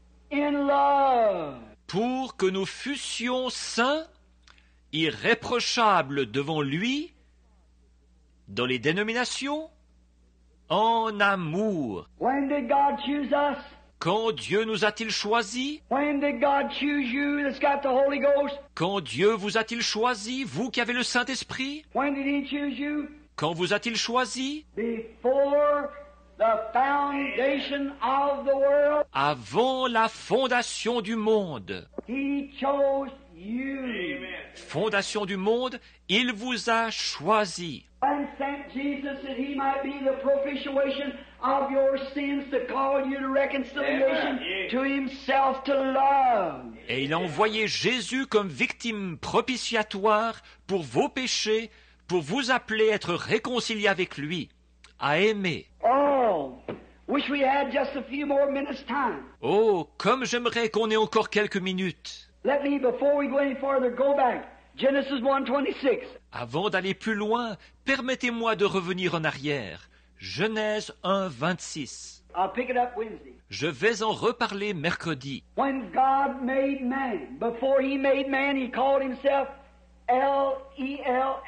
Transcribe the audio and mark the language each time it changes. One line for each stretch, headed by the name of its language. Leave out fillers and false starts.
English: In love.
French: Pour que nous fussions saints, irréprochables devant lui, dans les dénominations, en amour.
English: When did God choose us?
French: Quand Dieu nous a-t-il choisis?
English: When did God choose you that's got the Holy Ghost?
French: Quand Dieu vous a-t-il choisi, vous qui avez le Saint-Esprit?
English: When did he choose you?
French: Quand vous a-t-il choisi?
English: Before the foundation of the world.
French: Avant la fondation du monde.
English: He chose you. Amen.
French: Fondation du monde, il vous a choisi.
English: And sent Jesus that he might be the propitiation of your sins, to call you to reconciliation. Amen. To himself, to love.
French: Et il a envoyé Jésus comme victime propitiatoire pour vos péchés, pour vous appeler à être réconcilié avec lui. À aimer.
English: Oh, wish we had just a few more minutes time.
French: Oh, comme j'aimerais qu'on ait encore quelques minutes.
English: Let me, before we go any further, go back. Genesis 1:26.
French: Avant d'aller plus loin, permettez-moi de revenir en arrière. Genèse 1:26.
English: I'll pick it up Wednesday.
French: Je vais en reparler mercredi.
English: When God made man, before he made man, he called himself Elohim.